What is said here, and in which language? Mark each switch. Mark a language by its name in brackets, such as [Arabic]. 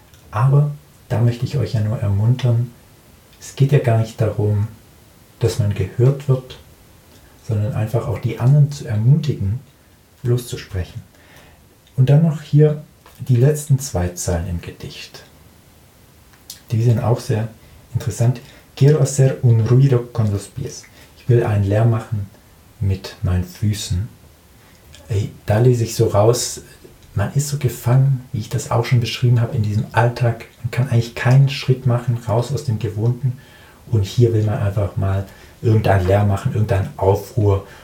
[German] Aber da möchte ich euch ja nur ermuntern, es geht ja gar nicht darum, dass man gehört wird, sondern einfach auch die anderen zu ermutigen, loszusprechen. Und dann noch hier die letzten zwei Zeilen im Gedicht. Die sind auch sehr interessant. [Spanish] Quiero hacer un ruido con los pies. [German] Ich will einen Lärm machen mit meinen Füßen. Da lese ich so raus, man ist so gefangen, wie ich das auch schon beschrieben habe, in diesem Alltag. Man kann eigentlich keinen Schritt machen, raus aus dem Gewohnten. Und hier will man einfach mal irgendeinen Lärm machen, irgendeinen Aufruhr.